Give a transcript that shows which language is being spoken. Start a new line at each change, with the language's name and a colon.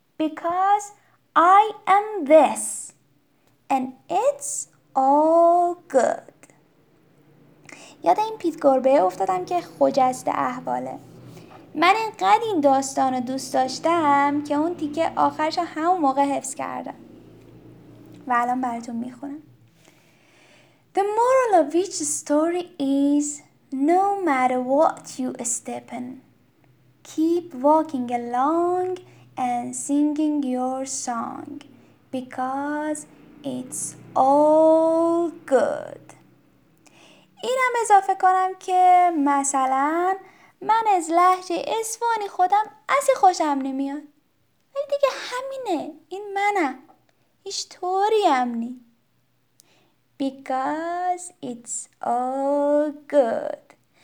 English: Because I am this. And it's all good.
Persian: یاد این پیت گربه افتادم که خجسته احواله. من اینقدر این داستان رو دوست داشتم که اون تیکه آخرش رو همون موقع حفظ کردم و الان براتون میخونم.
English: The moral of each story is no matter what you step in, keep walking along and singing your song because it's all good.
Persian: اینم اضافه کنم که مثلا من از لهجه اصفهانی خودم اصلا خوشم نمیاد. ولی دیگه همینه. این منم. هیچ طوری هم نی.
English: Because it's all good.